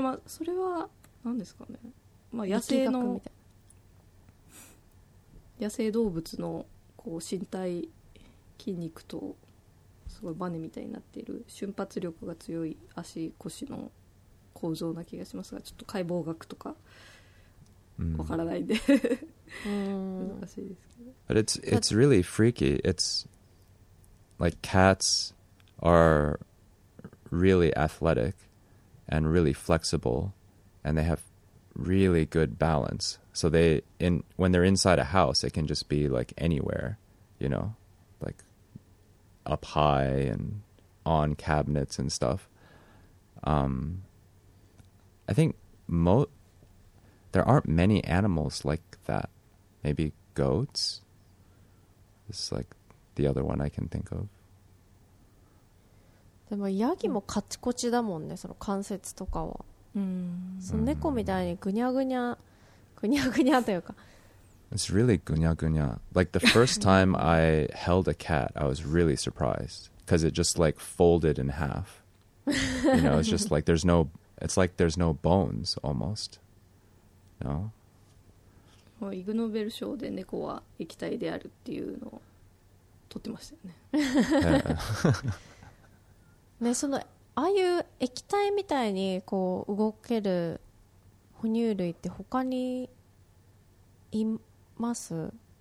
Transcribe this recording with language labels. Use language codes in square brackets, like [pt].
[ja] まあそれは何ですかね。まあ野生の野生動物のこう身体筋肉とすごいバネみたいになっている瞬発力が強い足腰の構造な気がしますが、ちょっと解剖学とかわからないんで難しいですけど。 [en] But it's really freaky. It's like cats are really athletic and really flexible, and they have really good balance. So they when they're inside a house, it can just be like anywhere, you know, like up high and on cabinets and stuff. I think there aren't many animals like that. Maybe goats is like the other one I can think of. [ja] でもヤギもカチコチだもんね、その関節とかは。その猫みたいにグニャグニャグニャグニャというか、 [en] It's really gunya gunya. Like the first time I held a cat, I was really surprised because it just like folded in half. You know, it's just like there's no bones almost. No? [ja] もうイグノーベル賞で猫は液体であるっていうのを取ってましたよね。ね、そのああいう液体みたいにこう動ける哺乳類って他にいます？